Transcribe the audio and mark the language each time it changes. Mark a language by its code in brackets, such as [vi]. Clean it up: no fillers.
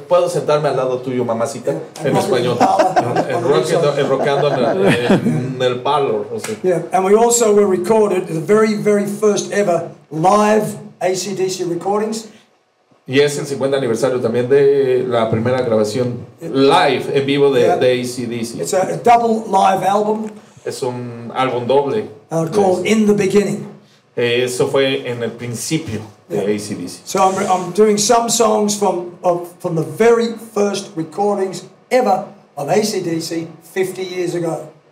[es] Puedo sentarme al lado tuyo, mamacita, en español. En el parlor. [en] Yeah, and we also were recorded the very, very first ever live AC/DC recordings. [es] Y es el 50 aniversario también de la primera grabación live en vivo de AC/DC. [en] It's a double live album. [es] Es un álbum doble. [en] Called In the Beginning. [es] Eso fue en el principio de AC/DC. [en] So I'm doing some songs from the very first recordings ever of AC/DC 50 years ago.